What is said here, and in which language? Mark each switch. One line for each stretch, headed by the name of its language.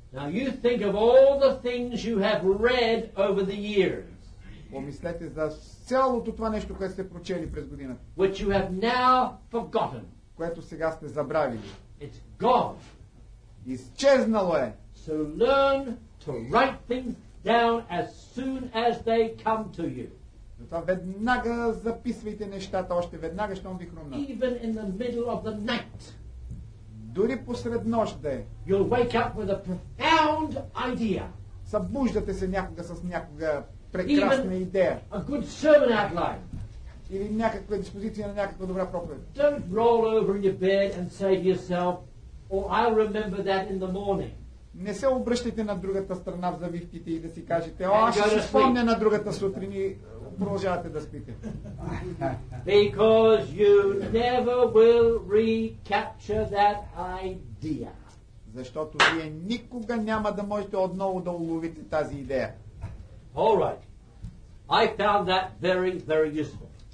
English: Now you think of all the things you have read over the years.
Bulgarian: Помислете за цялото това нещо, което сте прочели през годината.
English: Which you have now forgotten.
Bulgarian: Което сега сте забравили.
English: It's gone.
Bulgarian: Изчезнало е.
English: So learn to write things down as soon as they come to you.
Bulgarian: Затова веднага записвайте нещата, още веднага, щом ви хрумна.
English: Even in the middle of the night.
Bulgarian: Дори посред нощ да е.
English: You'll wake up with a profound idea.
Bulgarian: Събуждате се някога с някога прекрасна идея.
English: A good sermon outline.
Bulgarian: Или някаква диспозиция на някаква добра проповед.
English: Don't roll over in your bed and say to yourself, or I'll remember that in the morning.
Bulgarian: Не се обръщайте на другата страна в завивките и да си кажете, о, аз ще спомня на другата сутрин и продължавате да спите.
English: Because you never will recapture that idea.
Bulgarian: Защото вие никога няма да можете отново да уловите тази идея.
English: All right. I found that very, very useful.